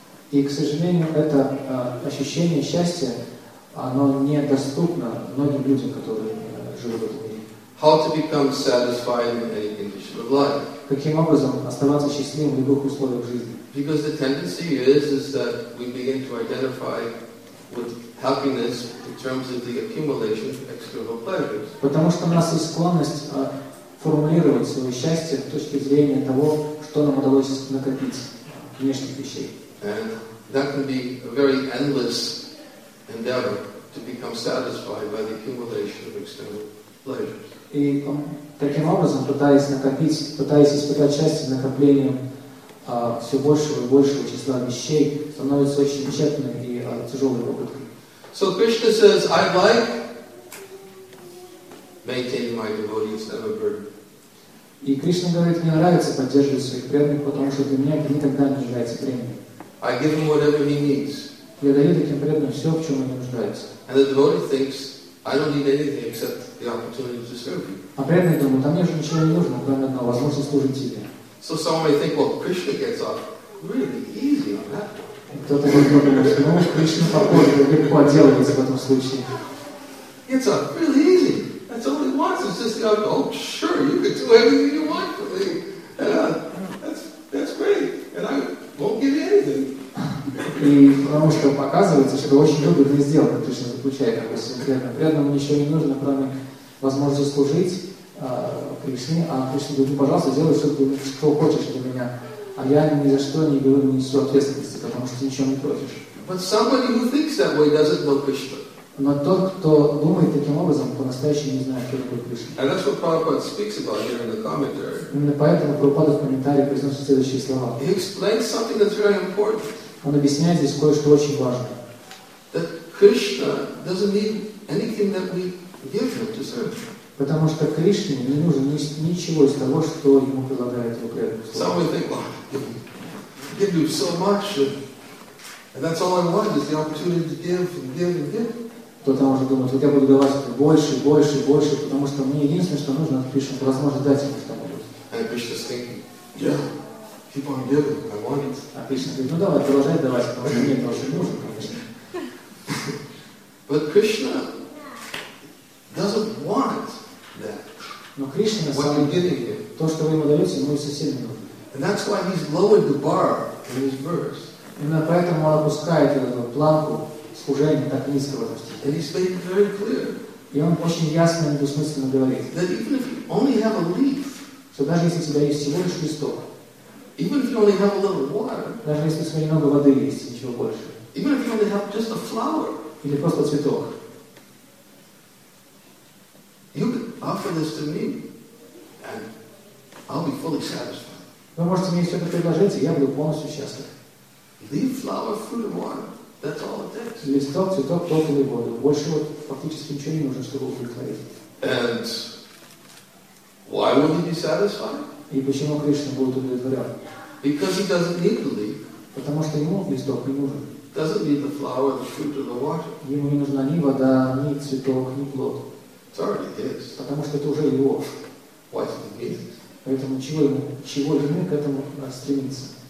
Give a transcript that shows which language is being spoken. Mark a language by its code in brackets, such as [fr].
[ru] И, к сожалению, это ощущение счастья, оно недоступно многим людям, которые живут в мире. [en] How to become satisfied in any condition of life? [ru] Каким образом оставаться счастливым в любых условиях жизни? [en] Because the tendency is that we begin to identify with happiness in terms of the accumulation of external pleasures. [ru] Потому что у нас есть склонность формулировать свое счастье с точки зрения того, что нам удалось накопить внешних вещей. [en] And that can be a very endless endeavor to become satisfied by the accumulation of external pleasures. [ru] И таким образом, пытаясь испытать счастье накоплением все большего и большего числа вещей, становится очень тщетным и тяжелым опытом. [en] So Krishna says, I like maintaining my devotee instead of a burden. [ru] И Кришна говорит, мне нравится поддерживать своих преданных, потому что для меня это никогда не является бременем. [en] I give him whatever he needs. [ru] Я даю таким преданным все, в чем они нуждаются. [en] And the devotee thinks, I don't need anything except the opportunity to serve you. [ru] А преданный думает, а мне же ничего не нужно, кроме одного, возможности служить тебе. [en] So some may think, well, Krishna gets off really easy on that one. [ru] Кто-то может подумать, ну, Кришна похоже, легко отделывается в этом случае. [en] It's off really easy. That's all he wants. It's just, you know, oh, sure, you can do anything you want for me. That's great. And I won't give you anything. [ru] И потому что показывается, что очень выгодная сделка, Кришна заключает, допустим, преданному. Преданному ничего не нужно, кроме возможности служить Кришне, а Кришна говорит, пожалуйста, делай все, что хочешь для меня, а я ни за что не беру, не несу ответственности, потому что ты ничего не просишь. [en] But somebody who thinks that way doesn't know Krishna. [ru] Но тот, кто думает таким образом, по-настоящему не знает, кто такой Кришна. [en] And that's what Prabhupada speaks about here in the commentary. [ru] Именно поэтому Прабхупада в комментарии произносит следующие слова. [en] He explains something that's very important. [ru] Он объясняет здесь кое-что очень важное. [en] That Krishna doesn't need anything that we give him to serve. [ru] Потому что Кришне не нужно ничего из того, что ему предлагает его преданность. [en] Some may think, well, give you so much, and that's all I want is the opportunity to give and give and give. [ru] Кто-то может думать, вот я буду давать больше, больше, больше, потому что мне единственное, что нужно, это Кришна, возможность дать ему что-нибудь. [en] And Krishna's thinking, yeah. Keep on giving, I want it. [ru] А Кришна говорит, ну давай, продолжай давать, потому что мне тоже нужно, конечно. [en] But Krishna doesn't want that. [ru] Но Кришна самое, то, что вы ему даете, ему и совсем не нужно. [en] And that's why he's lowered the bar in his verse. [ru] Именно поэтому он опускает эту планку служения так низко в этом стихе. [en] And he's made it very clear. [ru] И он очень ясно и недвусмысленно говорит. [en] That even if you only have a leaf. [ru] Что даже если у тебя есть всего лишь листок. [en] Even if you only have a little water. [ru] Даже если у тебя немного воды есть, ничего больше. [en] Even if you only have just a flower. [ru] Или просто цветок. [en] You can offer this to me, and I'll be fully satisfied. [ru] Вы можете мне все это предложить, и я буду полностью счастлив. [en] Leaf, flower, fruit, and water. That's all it takes. [ru] Листок, цветок, плод или воду. Больше вот фактически ничего не нужно, чтобы удовлетворить. [en] And why would he be satisfied? [ru] И почему Кришна будет удовлетворен? [en] Because he doesn't need the leaf. [ru] Потому что ему листок не нужен. [en] Doesn't need the flower, the fruit, or the water. [ru] Ему не нужна ни вода, ни цветок, ни плод. [en] It's already his. [ru] Потому что это уже его. [en] Why does he need it? [ru] Поэтому чего ему к этому стремиться?